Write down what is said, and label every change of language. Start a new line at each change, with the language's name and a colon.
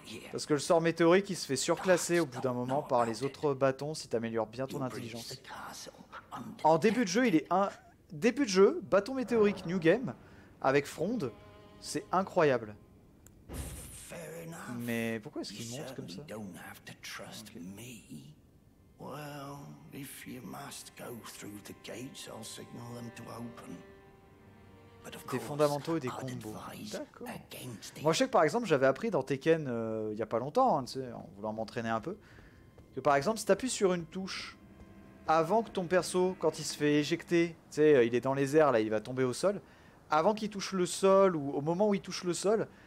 French: Parce que le sort météorique, il se fait surclasser au bout d'un moment par les autres bâtons si t'améliores bien ton intelligence. En début de jeu, il est un. Début de jeu, bâton météorique new game, avec fronde, c'est incroyable. Mais pourquoi est-ce qu'il monte comme ça?
English: Don't have to trust me. Well, if you must go through the gates, I'll signal them to open.
French: Des fondamentaux et des combos. D'accord. Moi, je sais que par exemple, j'avais appris dans Tekken il y a pas longtemps, hein, tu sais, en voulant m'entraîner un peu, que par exemple, si t'appuies sur une touche avant que ton perso, quand il se fait éjecter, tu sais, il est dans les airs là, il va tomber au sol, avant qu'il touche le sol ou au moment où il touche le sol.